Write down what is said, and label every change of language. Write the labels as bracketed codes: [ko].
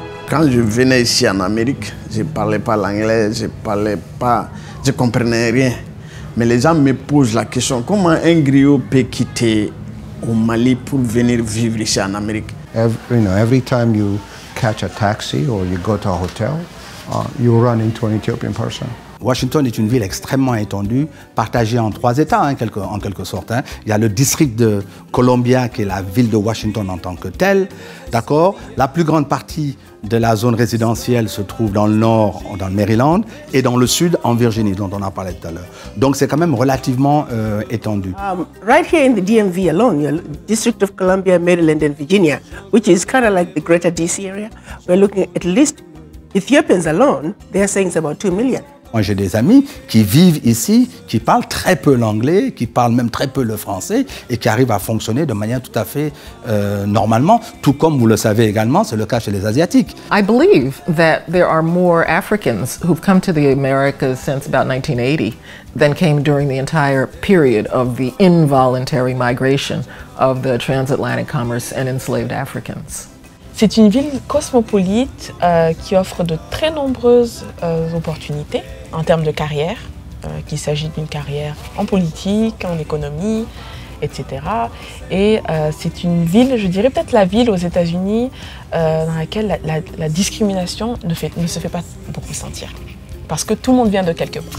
[fr] Quand je venais ici en Amérique, je ne parlais pas l'anglais, je ne comprenais rien. Mais les gens me posent la question, comment un griot peut quitter au Mali pour venir vivre ici en Amérique? [en] Every time you catch a taxi or you go to a hotel, you run into an Ethiopian person. [fr] Washington est une ville extrêmement étendue, partagée en trois états, hein, en quelque sorte. Hein. Il y a le district de Columbia, qui est la ville de Washington en tant que telle. D'accord? La plus grande partie de la zone résidentielle se trouve dans le nord, dans le Maryland, et dans le sud, en Virginie, dont on a parlé tout à l'heure. Donc c'est quand même relativement étendu. [en] Right here in the DMV alone, you're District of Columbia, Maryland and Virginia, which is kind of like the greater DC area, we're looking at least Ethiopians alone, they're saying it's about 2 million. [fr] Moi, j'ai des amis qui vivent ici, qui parlent très peu l'anglais, qui parlent même très peu le français et qui arrivent à fonctionner de manière tout à fait normalement, tout comme vous le savez également, c'est le cas chez les Asiatiques. [en] I believe that there are more Africans who've come to the Americas since about 1980 than came during the entire period of the involuntary migration of the transatlantic commerce and enslaved Africans. [fr] C'est une ville cosmopolite qui offre de très nombreuses opportunités en termes de carrière, qu'il s'agit d'une carrière en politique, en économie, etc. Et c'est une ville, je dirais peut-être la ville aux États-Unis dans laquelle la discrimination ne se fait pas beaucoup sentir. Parce que tout le monde vient de quelque part.